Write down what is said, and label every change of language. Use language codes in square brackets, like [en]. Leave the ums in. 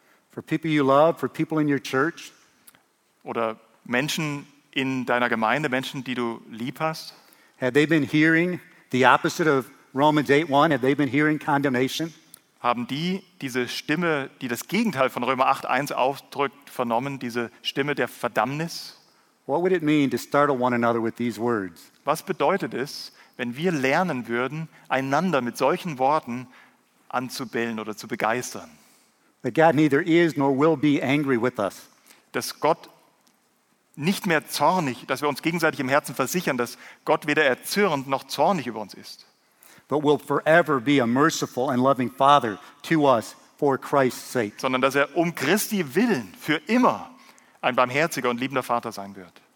[en] For people you love, for people in your church? [de] Oder Menschen in deiner Gemeinde, Menschen, die du lieb hast? 8, Haben die diese Stimme, die das Gegenteil von Römer 8:1 ausdrückt, vernommen, diese Stimme der Verdammnis? Was bedeutet es, wenn wir lernen würden, einander mit solchen Worten [en] That God neither is nor will be angry with us. [de] Dass Gott nicht mehr zornig, dass wir uns gegenseitig im Herzen versichern, dass Gott weder erzürnt noch zornig über uns ist. [en] But will forever be a merciful and loving Father to us for Christ's sake. [de] Sondern dass er um Christi willen für immer ein barmherziger und liebender Vater sein wird.